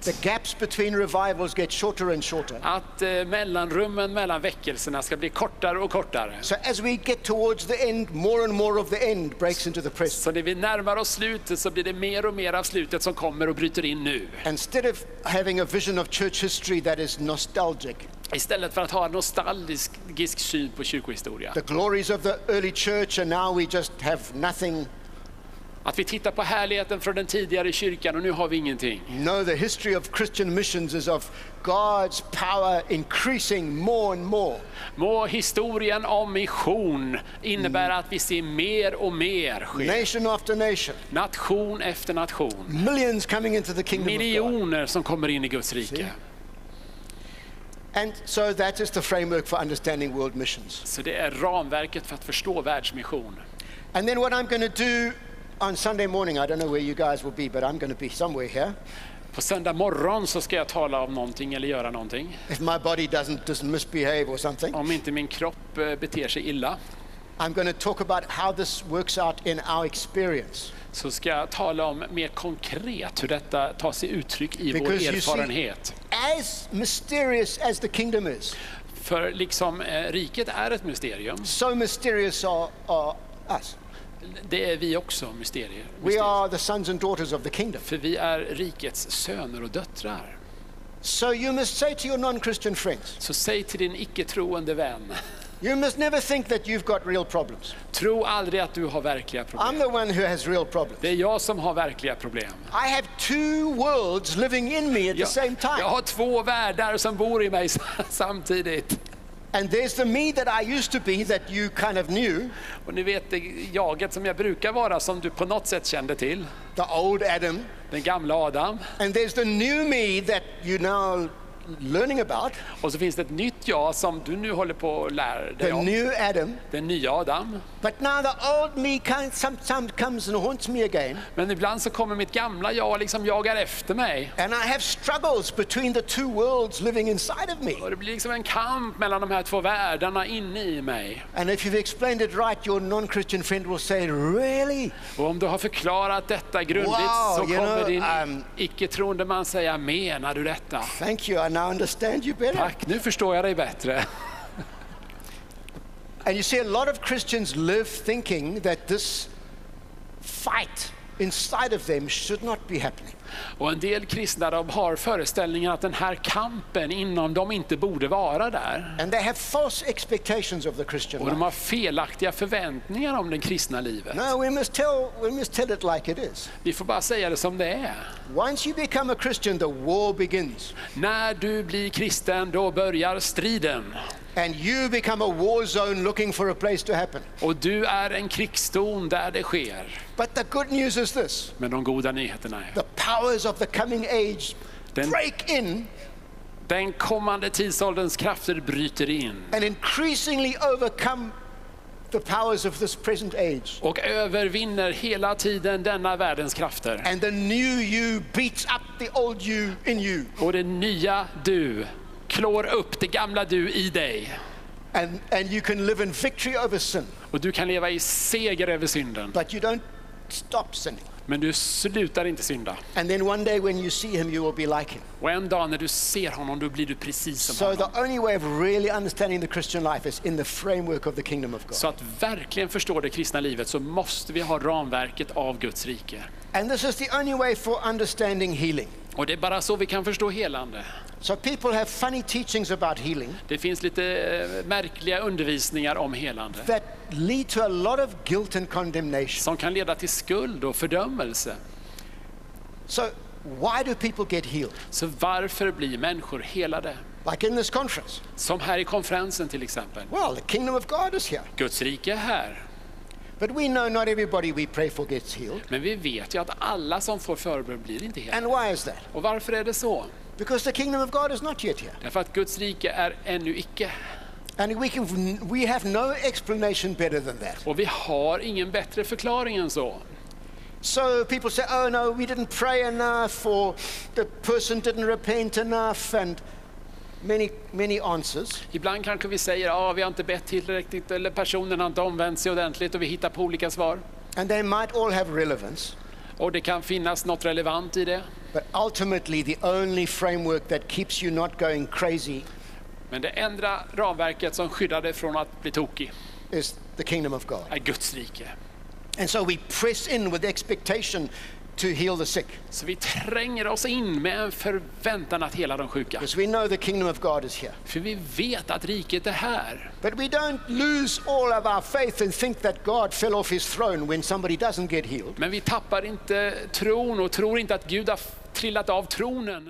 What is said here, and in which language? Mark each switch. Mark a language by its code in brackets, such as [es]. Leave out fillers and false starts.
[en] the gaps between revivals get shorter and shorter. [sv] Att mellanrummen mellan väckelserna ska bli kortare och kortare. [en] So as we get towards the end, more and more of the end breaks into the present. [sv] Så när vi närmar oss slutet så blir det mer och mer av slutet som kommer och bryter in nu. [en] Instead of having a vision of church history that is nostalgic. [sv] Istället för att ha en nostalgisk syn på kyrkohistoria. [en] The glories of the early church and now we just have nothing. [sv] Att vi tittar på härligheten från den tidigare kyrkan och nu har vi ingenting. [en] No, the history of Christian missions is of God's power increasing more and more. [sv] Må historien om mission innebär att vi ser mer och mer ske. [en] Nation after nation. [sv] Nation efter nation. [en] Millions coming into the kingdom of God. [sv] Miljoner som kommer in I Guds rike. [en] See? And so that is the framework for understanding world missions. [sv] Så det är ramverket för att förstå världsmission. [en] And then what I'm going to do on Sunday morning, I don't know where you guys will be, but I'm going to be somewhere here. [sv] På söndag morgon så ska jag tala om någonting eller göra någonting. [en] If my body doesn't misbehave or something. [sv] Om inte min kropp beter sig illa. [en] I'm going to talk about how this works out in our experience. [sv] Så ska jag tala om mer konkret hur detta tar sig uttryck I vår erfarenhet. [en] As mysterious as the kingdom is. [sv] För liksom riket är ett mysterium. [en] So mysterious are us. [sv] Det är vi också mysterier. [en] We are the sons and daughters of the kingdom. [sv] För vi är rikets söner och döttrar. [en] So you must say to your non-Christian friends. [sv] Så säg till din icke-troende vän. [en] You must never think that you've got real problems. [sv] Tro aldrig att du har verkliga problem. [en] I'm the one who has real problems. [sv] Det är jag som har verkliga problem. [en] I have two worlds living in me at the same time. [sv] Jag har två världar som bor I mig samtidigt. [en] And there's the me that I used to be that you kind of knew. [sv] Och ni vet det jaget som jag brukar vara som du på något sätt kände till. [en] The old Adam. [sv] Den gamla Adam. [en] And there's the new me that you now learning about. [sv] Och så finns det ett nytt jag som du nu håller på att lära dig om. [en] The new Adam. [sv] Den nya Adam. [en] But now the old me sometimes comes and haunts me again. [sv] Men ibland så kommer mitt gamla jag liksom jagar efter mig. [en] And I have struggles between the two worlds living inside of me. [sv] Och det blir liksom en kamp mellan de här två världarna inne I mig. [en] And if you've explained it right, your non-Christian friend will say, "Really?" [sv] Och om du har förklarat detta grundligt, wow, så kommer din icke-troende man säga, "Menar du detta?" [en] Thank you. I now understand you better. [sv] Tack, nu förstår jag dig bättre. [en] And you see, a lot of Christians live thinking that this fight inside of them should not be happening. [sv] Och en del kristna, de har föreställningen att den här kampen inom dem inte borde vara där. [en] And they have false expectations of the Christian life. [sv] Och de har felaktiga förväntningar om det kristna livet. [en] No, we must tell it like it is. [sv] Vi får bara säga det som det är. [en] Once you become a Christian, the war begins. [sv] När du blir kristen, då börjar striden. [en] And you become a war zone looking for a place to happen. [sv] Och du är en krigszon där det sker. [en] But the good news is this. [sv] Men de goda nyheterna är. [en] The powers of the coming age break in. [sv] Den kommande tidsålderns krafter bryter in. [en] And increasingly overcome the powers of this present age. [sv] Och övervinner hela tiden denna världens krafter. [en] And the new you beats up the old you in you. [sv] Och den nya du klår upp det gamla du i dig. [en] And you can live in victory over sin. [sv] Och du kan leva i seger över synden. [en] But you don't stop sinning. [sv] Men du slutar inte synda. [en] And then one day when you see him, you will be like him. [sv] Och en dag när du ser honom, då blir du precis som so honom. [en] So the only way of really understanding the Christian life is in the framework of the kingdom of God. [sv] Så att verkligen förstå det kristna livet, så måste vi ha ramverket av Guds rike. [en] And this is the only way for understanding healing. [sv] Och det är bara så vi kan förstå helande. [en] So people have funny teachings about healing. [sv] Det finns lite märkliga undervisningar om helande. [en] That lead to a lot of guilt and condemnation. [sv] Som kan leda till skuld och fördömelse. [en] So why do people get healed? [sv] Så varför blir människor helade? [en] Like in this conference. [sv] Som här i konferensen till exempel. [en] Well, the kingdom of God is here. [sv] Guds rike är här. [en] But we know not everybody we pray for gets healed. [sv] Men vi vet ju att alla som får förbön blir inte helade. [en] And why is that? [sv] Och varför är det så? [en] Because the kingdom of God is not yet here. [sv] Därför att Guds rike är ännu icke. [en] And we have no explanation better than that. [sv] Och vi har ingen bättre förklaring än så. [en] So people say, oh no, we didn't pray enough, or the person didn't repent enough, and many answers. [sv] Ibland kanske vi säger, vi har inte bett tillräckligt, eller personen har inte omvänt sig ordentligt, och vi hittar på olika svar. [en] And they might all have relevance. [sv] Och det kan finnas något relevant i det. [en] But ultimately the only framework that keeps you not going crazy. [sv] Men det enda ramverket som skyddar dig från att bli tokig [en] is the kingdom of God. [sv] Är Guds rike. [en] And so we press in with expectation to heal the sick. [sv] Så vi tränger oss in med en förväntan att hela de sjuka. [en] Because we know the kingdom of God is here. [sv] För vi vet att riket är här. [en] But we don't lose all of our faith and think that God fell off his throne when somebody doesn't get healed. [sv] Men vi tappar inte tron och tror inte att Gud har trillat av tronen.